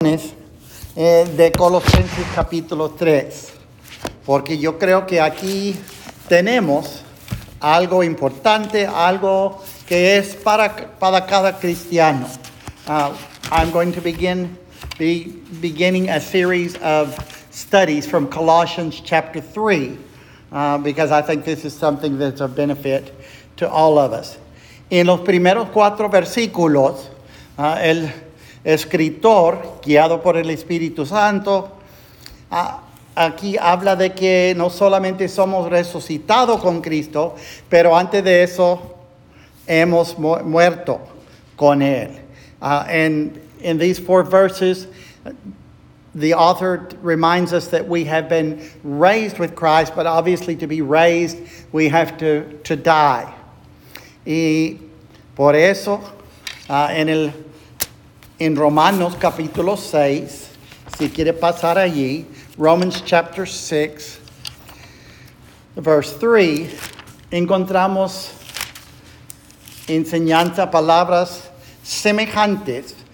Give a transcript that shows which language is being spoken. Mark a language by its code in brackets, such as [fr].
[es] Smith de Colosenses capítulo 3, porque yo creo que aquí tenemos algo importante, algo que es para cada cristiano. [en] I'm going to beginning a series of studies from Colossians chapter 3, because I think this is something that's a benefit to all of us. [es] En los primeros cuatro versículos, el escritor, guiado por el Espíritu Santo, aquí habla de que no solamente somos resucitados con Cristo, pero antes de eso hemos muerto con Él. [en] In these four verses, the author reminds us that we have been raised with Christ, but obviously to be raised, we have to die. [es] Y por eso, en Romanos capítulo 6, si quiere pasar allí, [en] Romans chapter 6, verse 3, [es] encontramos enseñanza, palabras semejantes.